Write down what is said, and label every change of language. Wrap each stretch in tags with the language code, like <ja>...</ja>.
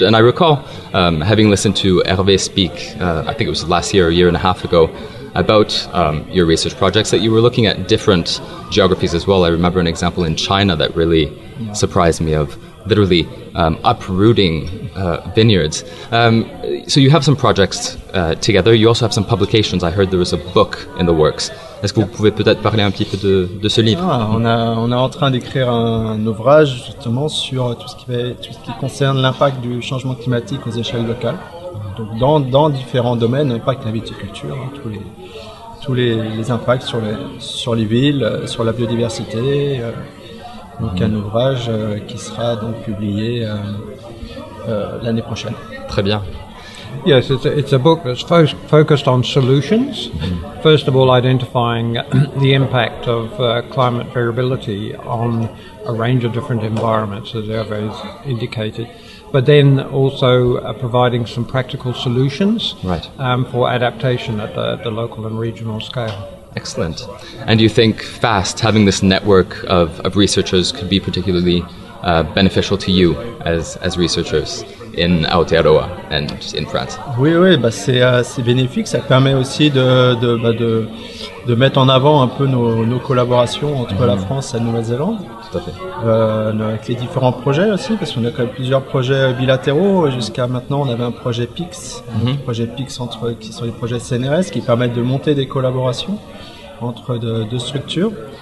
<en>And I recall having listened to Hervé speak, I think it was last year, a year and a half ago, about your research projects, that you were looking at different geographies as well. I remember an example in China that really surprised me of literally uprooting vineyards. So you have some projects together. You also have some publications. I heard there was a book in the works.</en> <fr>Est-ce que vous pouvez peut-être parler un petit peu de ce livre? On est en train d'écrire un ouvrage justement sur tout ce qui concerne l'impact du changement climatique aux échelles locales. Donc dans différents domaines, pas que la viticulture, hein, tous les impacts sur les villes, sur la biodiversité. Donc un ouvrage qui sera donc publié l'année prochaine. Très bien.</fr> <en>Yes, it's a book that's focused on solutions. Mm-hmm. First of all, identifying the impact of climate variability on a range of different environments, as Hervé indicated. But then also providing some practical solutions for adaptation at the local and regional scale. Excellent. And do you think FAST, having this network of researchers, could be particularly beneficial to you as researchers in Aotearoa and in France?</en> <fr>Oui, oui, bah c'est bénéfique. Ça permet aussi de mettre en avant un peu nos collaborations entre la France et la Nouvelle-Zélande. Tout à fait. Avec les différents projets aussi, parce qu'on a quand même plusieurs projets bilatéraux. Jusqu'à maintenant, on avait un projet PIX, un projet PIX qui sont les projets CNRS, qui permettent de monter des collaborations entre deux structures.</fr>